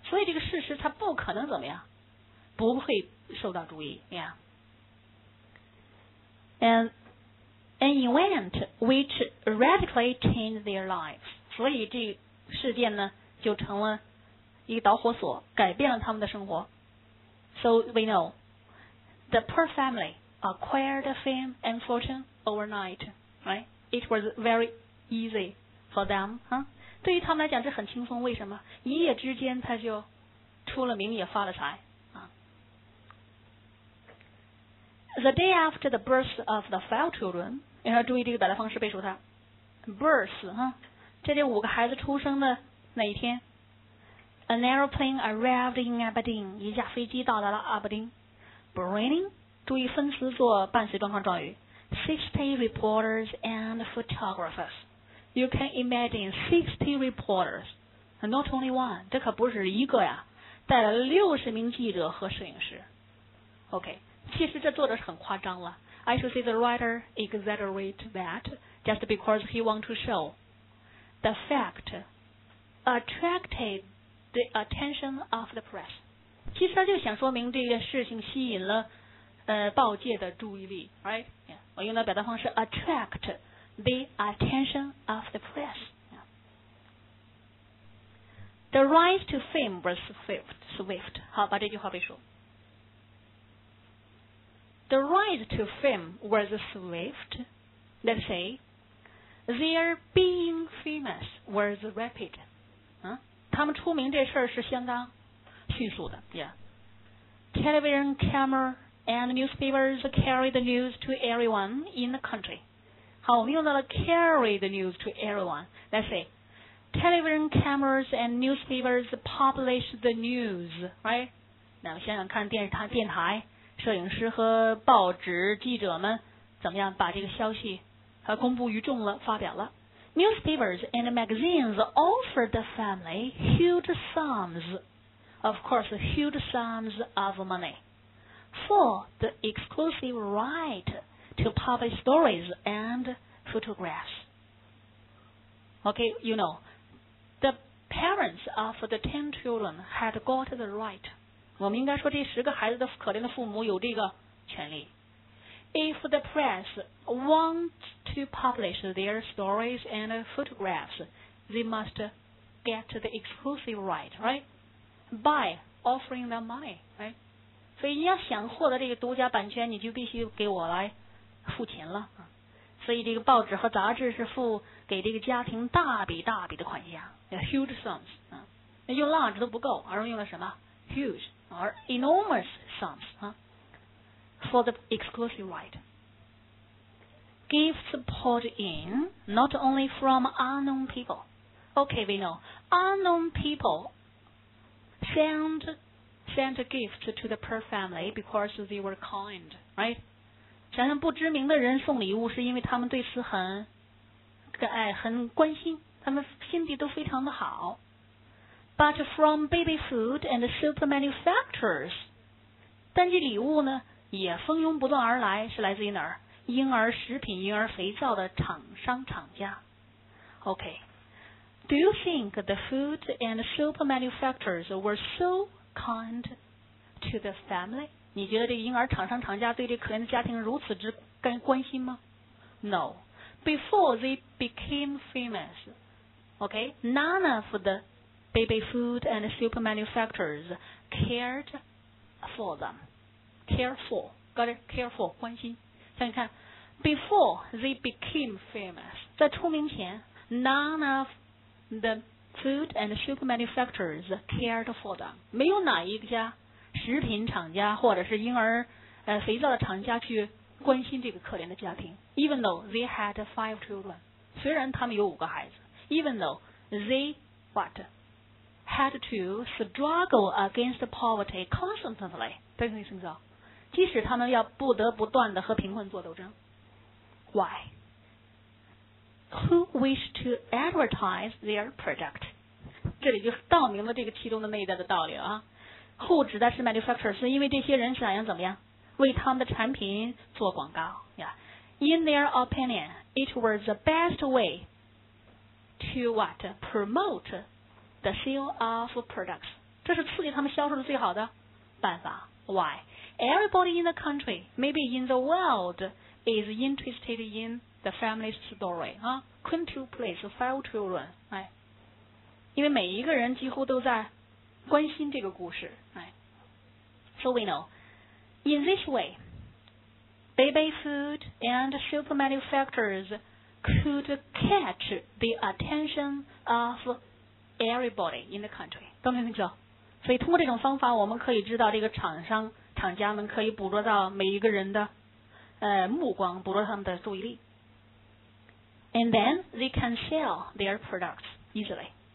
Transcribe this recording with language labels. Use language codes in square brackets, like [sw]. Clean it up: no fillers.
[zh] 所以这个事实它不可能怎么样，不会受到注意。 [en] Yeah. And an event which radically changed their lives. [zh] 所以这事件呢就成了一个导火索，改变了他们的生活。 [en] So we know the poor family acquired fame and fortune overnight, right? It was very easy for them, huh? [zh] 对于他们来讲这很轻松，为什么？一夜之间他就出了名也发了财。 [en] The day after the birth of the 5 children, [zh] 你要注意这个表达方式背熟它。 Birth, 这里五个孩子出生的那一天， [en] An aeroplane arrived in Aberdeen, [zh] 一架飞机到达了阿伯丁。 [en] Bringing, [zh] 注意分词做伴随状况状语， [en] 60 reporters and photographers. You can imagine 60 reporters, not only one, [zh] 这可不是一个呀，带了60名记者和摄影师。 [en] OK, [zh] 其实这做的是很夸张了。 [en] I should say the writer exaggerate that just because he want to show the fact attracted the attention of the press. [zh] 其实他就想说明这件事情吸引了报界的注意力， right? [en] Yeah. [zh] 我用的表达方式 [en] attract the attention of the press.、Yeah. The rise to fame was swift. [zh] 好，把这句话背熟。 [en] The rise to fame was swift. Let's say, their being famous was rapid.、 [zh] 他们出名这事儿是相当迅速的。 [en] Yeah. Television, camera, and newspapers carried the news to everyone in the country. [zh] 好，我们用到了 [en] carry the news to everyone. Let's see. Television, cameras, and newspapers published the news, right? [zh] 那我们想想看电台、摄影师和报纸记者们怎么样把这个消息公布于众了，发表了。 [en] Newspapers and magazines offered the family huge sums. Of course, huge sums of money for the exclusive right to publish stories and photographs. Okay, you know, the parents of the 10 children had got the right. [zh] 我们应该说这十个孩子的可怜的父母有这个权利。 [en] If the press wants to publish their stories and photographs, they must get the exclusive right, right? By offering them money, right? [zh] 所以你要想获得这个独家版权，你就必须给我来付钱了。所以这个报纸和杂志是付给这个家庭大笔大笔的款项， [en] huge sums. [zh] 用 large 都不够，而用了什么 [en] huge or enormous sums for the exclusive right. Gifts poured in not only from unknown people. Okay, we know unknown people. Sent a gift to the poor family because they were kind, right? [zh] 想想不知名的人送礼物是因为他们对此很很关心，他们心地都非常的好。 [en] But from baby food and soup manufacturers, [zh] 但这礼物呢也蜂拥不断而来，是来自于哪儿？婴儿食品、婴儿肥皂的厂商厂家。 [en] Okay. Do you think the food and soap manufacturers were so kind to the family? [zh] 你觉得这个婴儿厂商厂家对这可怜的家庭如此之关心吗？ [en] No. Before they became famous, okay, none of the baby food and soap manufacturers cared for them. Careful. Got it? Careful. [zh] 关心。 [en] 像你看 before they became famous, [zh] 在出名前 [en] none ofThe food and soup manufacturers cared for them. [zh] 没有哪一家食品厂家或者是婴儿肥皂的厂家去关心这个可怜的家庭。 [en] Even though they had 5 children. [zh] 虽然他们有五个孩子。 [en] even though they had to struggle against poverty constantly. [zh] 翻译一下圣经，即使他们要不得不断的和贫困做斗争。 [en] Why? Who wished to advertise their product? [zh] 这里就道明了这个其中的内在的道理啊。 Who 指的是 manufacturer， 是因为这些人想怎么样？为他们的产品做广告。 [en] Yeah. In their opinion, it was the best way to what? Promote the sale of products. [zh] 这是刺激他们销售的最好的办法。 [en] Why? Everybody in the country, maybe in the world,is interested in the family story. Quintuplets, five children.、 [zh] 哎、因为每一个人几乎都在关心这个故事、哎。 [en] So we know, in this way, baby food and super manufacturers could catch the attention of everybody in the country. [zh] 都没听清楚。所以通过这种方法我们可以知道这个厂商、厂家们可以捕捉到每一个人的目光，捕捉他们的注意力。 [en] And then they can sell their products easily.